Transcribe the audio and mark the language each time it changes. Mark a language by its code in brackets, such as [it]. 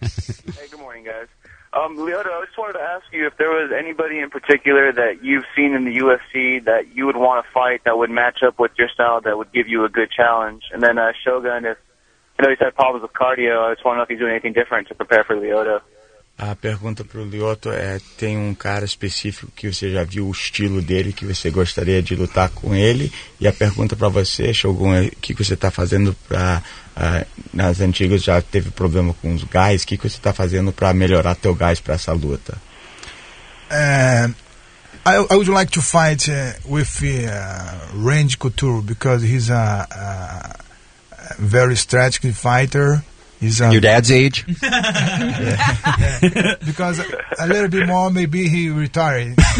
[en] Hey, good morning, guys. Lyoto, I just wanted to ask you if there was anybody in particular that you've seen in the UFC that you would want to fight that would match up with your style that would give you a good challenge. And then Shogun, if you know he's had problems with cardio, I just want to know if he's doing anything different to prepare for Lyoto. [pt] A pergunta para o Lyoto é, tem cara específico que você já viu o estilo dele, que você gostaria de lutar com ele? E a pergunta para você, Shogun, é o que você está fazendo para, nas antigas já teve problema com os gás, o que você está fazendo para melhorar teu gás para essa luta? [en] I would like to fight with Randy Couture, because he's a very strategic fighter. He's your dad's age? Yeah. Because a little bit more, maybe he retired.